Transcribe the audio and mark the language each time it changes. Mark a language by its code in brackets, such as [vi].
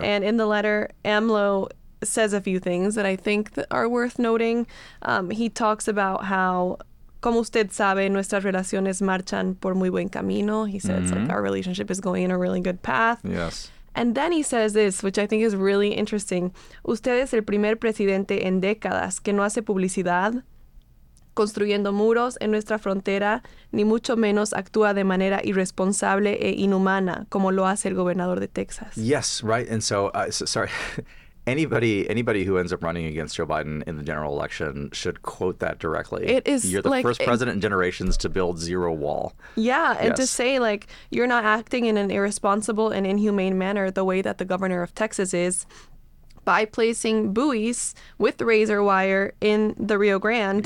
[en] And in the letter, AMLO says a few things that I think are worth noting. He talks about how, [es] como usted sabe, nuestras relaciones marchan por muy buen camino. [en] He says, mm-hmm. Our relationship is going in a really good path. Yes. And then he says this, which I think is really interesting. [es] Usted es el primer presidente en décadas que no hace publicidad construyendo muros en nuestra frontera, ni mucho menos actúa de manera irresponsable e inhumana como lo hace el gobernador de Texas. [en] Yes, right. And so, sorry. Anybody who ends up running against Joe Biden in the general election should quote that directly. It is, you're the like, first president in generations to build zero wall. Yeah, and yes. To say, like, you're not acting in an irresponsible and inhumane manner the way that the governor of Texas is by placing buoys with razor wire in the Rio Grande.